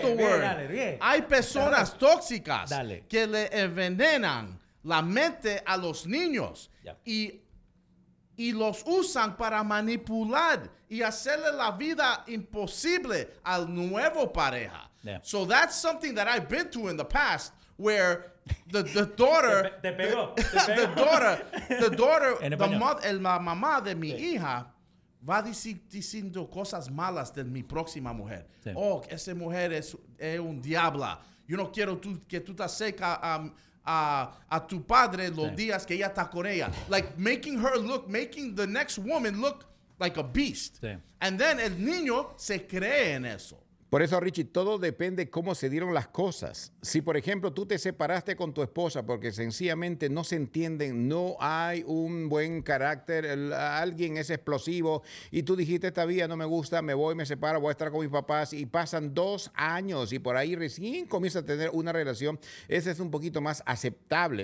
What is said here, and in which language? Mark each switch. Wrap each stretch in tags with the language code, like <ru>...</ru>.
<es>bien,</es> <en>the word.</en> <es>Bien, dale, bien. Hay personas dale. Tóxicas dale. Que le envenenan la mente a los niños.</es> <en>Yeah.</en> <es>Y los usan para manipular y hacerle la vida imposible al nuevo pareja.</es> <en>Yeah. So that's something that I've been through in the past where the daughter...</en> <es>Te pegó.</es> <en>The daughter,</en> <es>la mamá de mi hija va diciendo cosas malas de mi próxima mujer. Sí. Oh, esa mujer es un diabla. Yo no quiero que tú te acerques a tu padre los sí. días que ella está con ella.</es> <en>Like making the next woman look like a beast.</en> <es>Sí.</es> <en>And then</en> <es>el niño se cree en eso. Por eso, Richie, todo depende cómo se dieron las cosas. Si, por ejemplo, tú te separaste con tu esposa porque sencillamente no se entienden, no hay un buen carácter, alguien es explosivo y tú dijiste, esta vida no me gusta, me voy, me separo, voy a estar con mis papás y pasan 2 años y por ahí recién comienza a tener una relación, ese es un poquito más aceptable.</es>